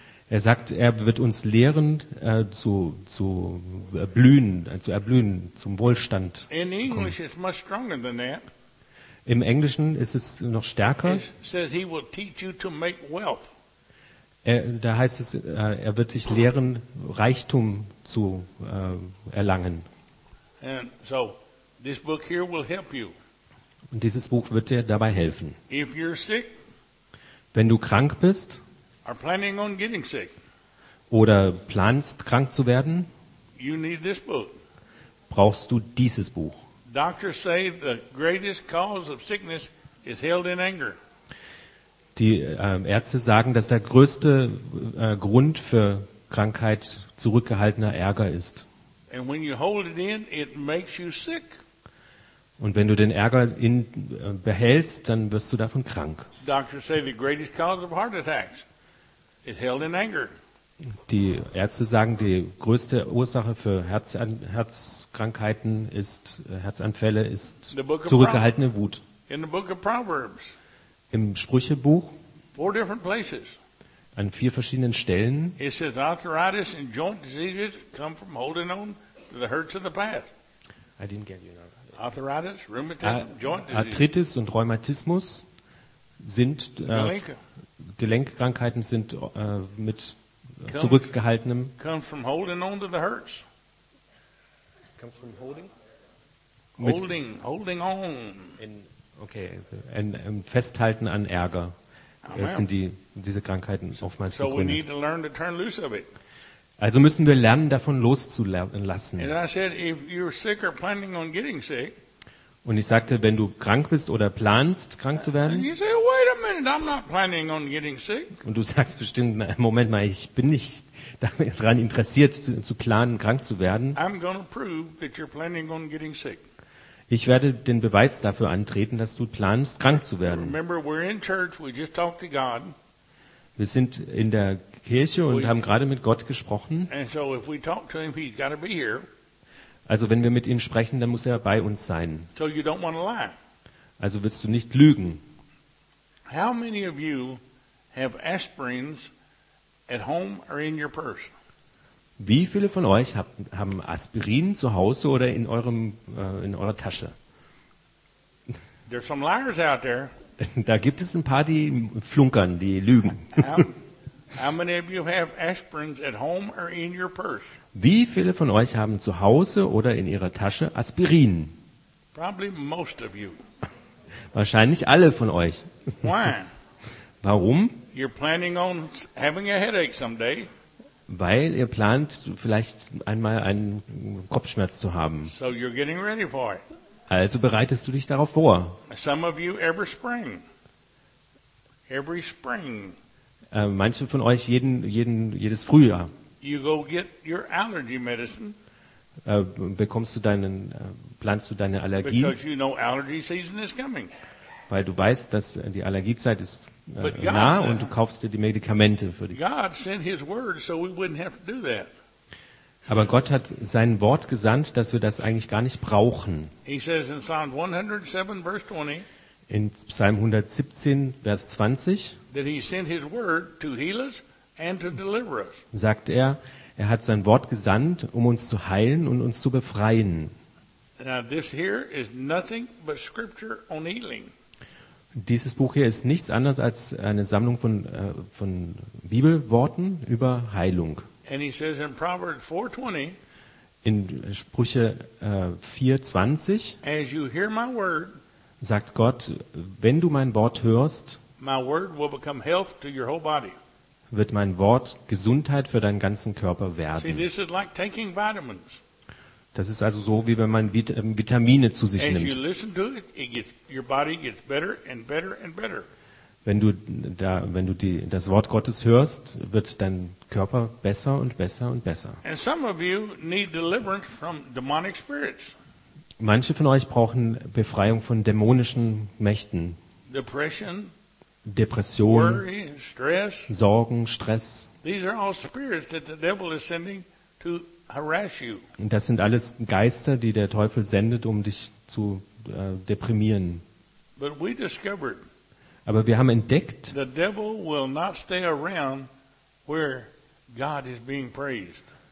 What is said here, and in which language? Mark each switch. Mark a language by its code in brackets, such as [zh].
[de] Er sagt, er wird uns lehren, zu erblühen, zum Wohlstand zu kommen. [en] In English it's much stronger than that. [de] Im Englischen ist es noch stärker. [en] Says he will teach you to make wealth. [de] Da heißt es, er wird sich lehren, Reichtum zu erlangen. [en] And so, this book here will help you. [de] Und dieses Buch wird dir dabei helfen. [en] If you're sick, [de] wenn du krank bist, [en] are planning on getting sick, [de] oder planst, krank zu werden, [en] you need this book. [de] Brauchst du dieses Buch. [en] Doctors say the greatest cause of sickness is held in anger. [de] Die Ärzte sagen, dass der größte Grund für Krankheit zurückgehaltener Ärger ist. [en] And when you hold it in, it makes you sick. [de] Und wenn du den Ärger behältst, dann wirst du davon krank. [en] Doctors say the greatest cause of heart attacks is held in anger. [de] Die Ärzte sagen, die größte Ursache für Herzkrankheiten ist Herzanfälle ist zurückgehaltene Wut. [en] In the book of Proverbs. [de] Im Sprüchebuch, [en] four different places, [de] an vier verschiedenen Stellen, [en] it says arthritis and joint diseases come from holding on to the hurts of the past. I didn't get you. Arthritis, rheumatism, joint disease. [de] Arthritis und Rheumatismus sind Gelenkkrankheiten sind mit zurückgehaltenem. [en] Comes from holding on to the hurts. Comes from holding. Holding on. [de] Okay, ein Festhalten an Ärger. Das sind diese Krankheiten oftmals so begründet. [en] We need to learn to turn loose of it. [de] Also müssen wir lernen, davon loszulassen. [en] And I said, if you're sick or planning on getting sick, [de] Und ich sagte, wenn du krank bist oder planst, krank zu werden. [en] And you say, wait a minute, I'm not planning on getting sick. [de] Und du sagst bestimmt, Moment mal, ich bin nicht daran interessiert, zu planen, krank zu werden. [en] I'm gonna prove that you're planning on getting sick. [de] Ich werde den Beweis dafür antreten, dass du planst, krank zu werden. [en] Remember, we're in church, we just talk to God. [de] Wir sind in der Kirche und haben gerade mit Gott gesprochen. [en] And so if we talk to him, he's gotta be here. [de] Also wenn wir mit ihm sprechen, dann muss er bei uns sein. [en] So you don't want to lie. [de] Also willst du nicht lügen. [en] How many of you have aspirins at home or in your purse? [de] Wie viele von euch haben Aspirin zu Hause oder in eurem in eurer Tasche? [en] There's some liars out there. [de] Da gibt es ein paar, die flunkern, die lügen. [en] How many of you have aspirins at home or in your purse? [de] Wie viele von euch haben zu Hause oder in ihrer Tasche Aspirin? [en] Probably most of you. [de] Wahrscheinlich alle von euch. [en] Why? [de] Warum? [en] You're planning on having a headache someday. [de] Weil ihr plant, vielleicht einmal einen Kopfschmerz zu haben. [en] So you're getting ready for it. [de] Also bereitest du dich darauf vor. [en] Some of you every spring. Every spring. [de] Manche von euch jedes Frühjahr. [en] You go get your allergy medicine. [de] Planst du deine Allergie? [en] Because you know allergy season is coming. [de] Weil du weißt, dass die Allergiezeit ist nah und du kaufst dir die Medikamente für dich. [en] God sent his word, so we wouldn't have to do that. [de] Aber Gott hat sein Wort gesandt, dass wir das eigentlich gar nicht brauchen. [en] He says in Psalm 107, verse 20. [de] In Psalm 117, Vers 20. [en] That he sent his word to heal us. And to deliver us. [de] Sagt er hat sein Wort gesandt, um uns zu heilen und uns zu befreien. [en] Now this here is nothing but scripture on healing. [de] Dieses Buch hier ist nichts anderes als eine Sammlung von Bibelworten über Heilung. [en] And he says in Proverbs 4:20, [de] in Sprüche 4:20, [en] as you hear my word, [de] sagt Gott, wenn du mein Wort hörst, [en] my word will become health to your whole body. [de] Wird mein Wort Gesundheit für deinen ganzen Körper werden. [en] See, this is like taking vitamins. [de] Das ist also so, wie wenn man Vitamine zu sich nimmt. [en] As you listen to it, your body gets better and better and better. [de] Wenn du das Wort Gottes hörst, wird dein Körper besser und besser und besser. [en] And some of you need deliverance from demonic spirits. [de] Manche von euch brauchen Befreiung von dämonischen Mächten. [en] Depression. [de] Depression, [en] worry, stress, [de] Sorgen, Stress. [en] These are all spirits that the devil is sending to harass you. [de] Und das sind alles Geister, die der Teufel sendet, um dich zu deprimieren. [en] But we discovered, [de] aber wir haben entdeckt, [en] the devil will not stay around where God is being praised.